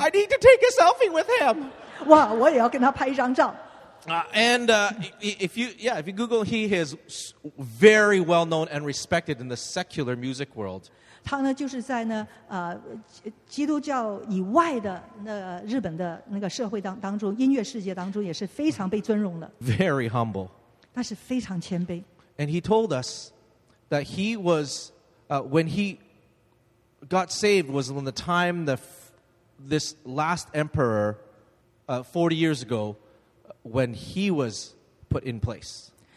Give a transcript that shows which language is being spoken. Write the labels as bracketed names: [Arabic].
[English] I need to take a selfie with him. Wow, [Chinese] 我也要跟他拍一张照。 [English] If you Google, he is very well known and respected in the secular music world. [Chinese] 他呢, 就是在呢, 基督教以外的那日本的那个社会当中, 音乐世界当中也是非常被尊荣的。 [English] Very humble. [Chinese] 但是非常谦卑。 [English] And he told us that he was, when he got saved was when the time this last emperor 40 years ago when he was put in place.